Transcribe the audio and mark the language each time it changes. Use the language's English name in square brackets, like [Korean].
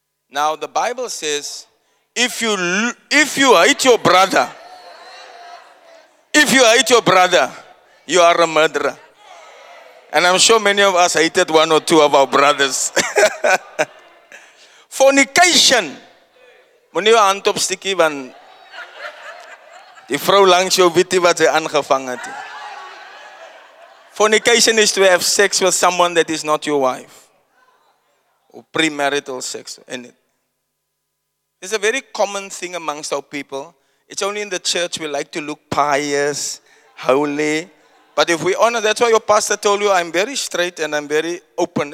[English] Now the Bible says, if you hate your brother, if you hate your brother, you are a murderer. And I'm sure many of us hated one or two of our brothers. Fornication. [Afrikaans] Moenie jou hand op stikkie want die vrou langs jou weet nie wat sy aangevang het. [English] Fornication is to have sex with someone that is not your wife. Or premarital sex. It's a very common thing amongst our people. It's only in the church we like to look pious, holy. But if we honor, that's why your pastor told you I'm very straight and I'm very open.